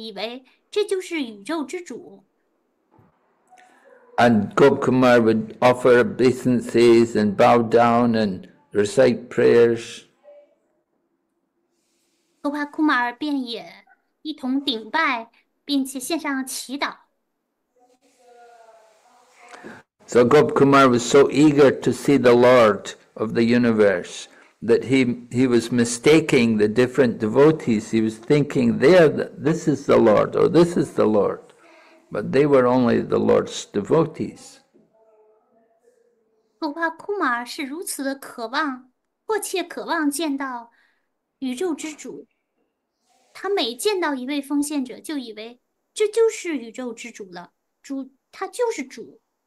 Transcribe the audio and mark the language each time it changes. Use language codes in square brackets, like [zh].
[zh] 但是，Gopakumar以为这就是宇宙之主。 [en] And Gop Kumar would offer obeisances and bow down and recite prayers. [zh] Gopakumar便也一同顶拜，并且献上祈祷。 [en] So Gop Kumar was so eager to see the Lord of the universe that he was mistaking the different devotees. He was thinking this is the Lord, or this is the Lord, but they were only the Lord's devotees. [zh] Gop Kumar 是如此的渴望，迫切渴望见到宇宙之主。他每见到一位奉献者，就以为这就是宇宙之主了，主，他就是主。